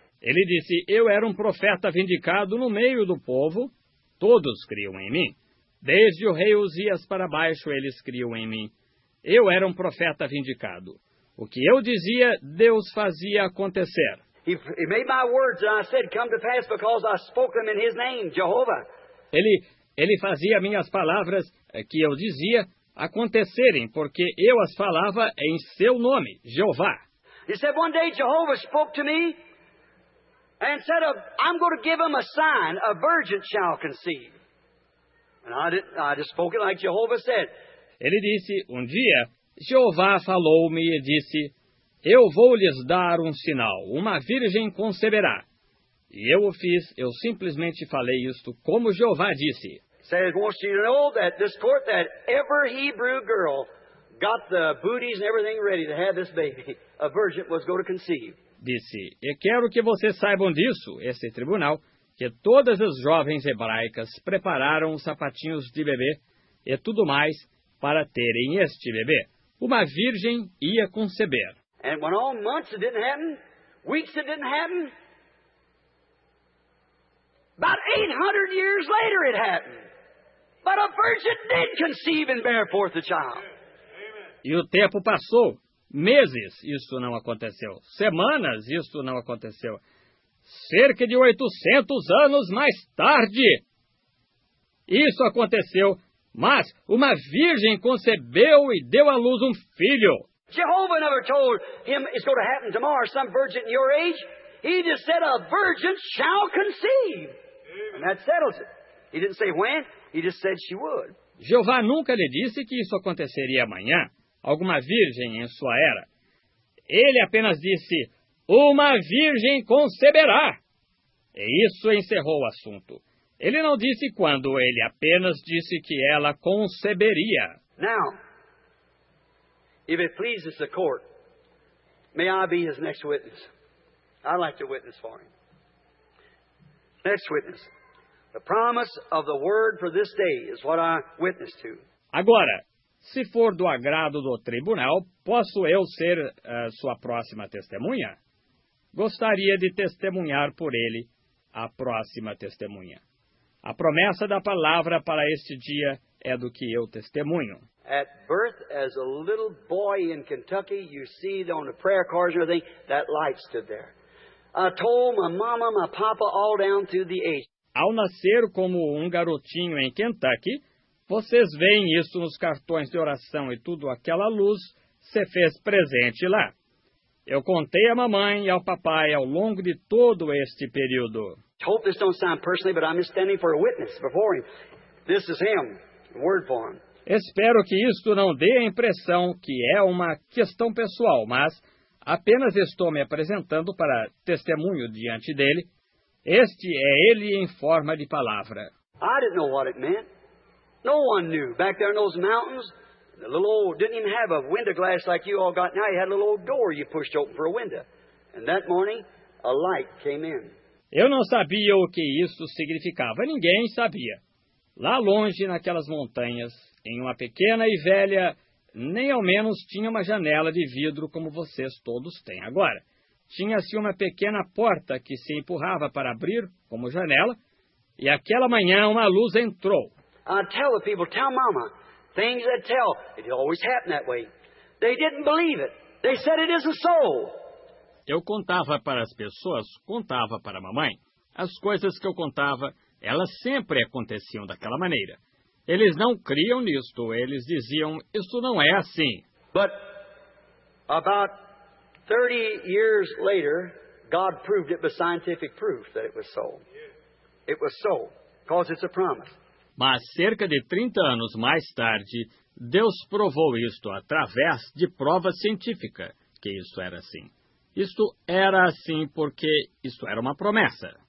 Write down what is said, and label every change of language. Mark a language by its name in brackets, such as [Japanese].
[Portuguese] Ele disse, eu era um profeta vindicado no meio do povo. Todos criam em mim. Desde o rei Uzias para baixo, eles criam em mim. Eu era um profeta vindicado. O que eu dizia, Deus fazia acontecer. [English] He made my words that I said come to pass because I spoke them in his name, Jehovah. [Portuguese] Ele fazia minhas palavras que eu dizia acontecerem, porque eu as falava em seu nome, Jeová. [English] He said, one day Jehovah spoke to me and said, I'm going to give him a sign, a virgin shall conceive. And I just spoke it like Jehovah said. [Portuguese] Ele disse, um dia, Jeová falou-me e disse, eu vou lhes dar um sinal, uma virgem conceberá. E eu o fiz, eu simplesmente falei isto como Jeová disse. [English] Said, won't you know that this court, that every Hebrew girl got the booties and everything ready to have this baby, a virgin was going to conceive. [Portuguese] Disse, e quero que vocês saibam disso, esse tribunal, que todas as jovens hebraicas prepararam os sapatinhos de bebê e tudo mais para terem este bebê. Uma virgem ia conceber. [English] And when all months it didn't happen, weeks it didn't happen, about 800 years later it happened. But a virgin did conceive and bear forth a child. [Portuguese] E o tempo passou. Meses, isso não aconteceu. Semanas, isso não aconteceu. Cerca de 800 anos mais tarde, isso aconteceu, mas uma virgem concebeu e deu à luz um filho. [English] Jehovah never told him it's going to happen tomorrow, some virgin in your age. He just said a virgin shall conceive. And that settles it. He didn't say when, he just said she would. [Portuguese] Jeová nunca lhe disse que isso aconteceria amanhã. Alguma virgem em sua era. Ele apenas disse, uma virgem conceberá. E isso encerrou o assunto. Ele não disse quando, ele apenas disse que ela conceberia. [English] Now, if it pleases the court, may I be his next witness. I'd like to witness for him. Next witness. The promise of the word for this day is what I witness to. [Portuguese] Agora, se for do agrado do tribunal, posso eu ser sua próxima testemunha? Gostaria de testemunhar por ele a próxima testemunha. A promessa da palavra para este dia é do que eu testemunho. [English] At birth, as a little boy in Kentucky, you see on the prayer cards and everything, that light stood there. I told my mama, my papa, all down through the ages. [Portuguese] Ao nascer como um garotinho em Kentucky, vocês veem isso nos cartões de oração e tudo, aquela luz se fez presente lá. Eu contei à mamãe e ao papai ao longo de todo este período. [English] Hope this don't sound personally, but I'm standing for a witness before him. This is him, word for him. [Portuguese] Espero que isto não dê a impressão que é uma questão pessoal, mas apenas estou me apresentando para testemunho diante dele. Este é ele em forma de palavra. [English] I didn't know what it meant. No one knew. Back there in those mountains, the little old, didn't even have a window glass like you all got now. You had a little old door you pushed open for a window. And that morning, a light came in. [Portuguese] Eu não sabia o que isso significava. Ninguém sabia. Lá longe, naquelas montanhas, em uma pequena e velha, nem ao menos tinha uma janela de vidro como vocês todos têm agora. Tinha-se uma pequena porta que se empurrava para abrir, como janela, e aquela manhã uma luz entrou. [English] I tell the people, tell mama, things that tell, it always happened that way. They didn't believe it. They said it isn't so. [Portuguese] Eu contava para as pessoas, contava para a mamãe. As coisas que eu contava, elas sempre aconteciam daquela maneira. Eles não criam nisto, eles diziam, isso não é assim. [English] But about 30 years later, God proved it by scientific proof that it was so. It was so, because it's a promise. [Portuguese] Mas cerca de 30 anos mais tarde, Deus provou isto através de prova científica, que isso era assim. Isto era assim porque isto era uma promessa.